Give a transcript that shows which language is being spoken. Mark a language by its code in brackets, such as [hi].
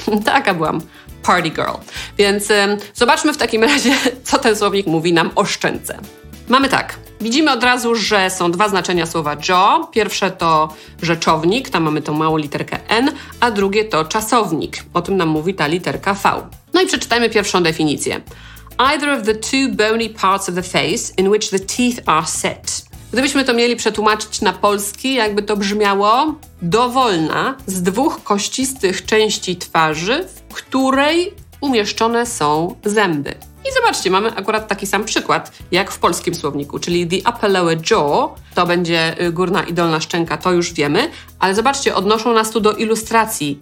[pl] Taka byłam [en] party girl. [pl] Więc zobaczmy w takim razie, co ten słownik mówi nam o szczęce. Mamy tak. Widzimy od razu, że są dwa znaczenia słowa Joe. Pierwsze to rzeczownik, tam mamy tą małą literkę N, a drugie to czasownik. O tym nam mówi ta literka V. No i przeczytajmy pierwszą definicję. [en] Either of the two bony parts of the face in which the teeth are set. [pl] Gdybyśmy to mieli przetłumaczyć na polski, jakby to brzmiało? Dowolna z dwóch kościstych części twarzy, w której umieszczone są zęby. I zobaczcie, mamy akurat taki sam przykład jak w polskim słowniku, czyli [en] the upper lower jaw, [pl] to będzie górna i dolna szczęka, to już wiemy, ale zobaczcie, odnoszą nas tu do ilustracji.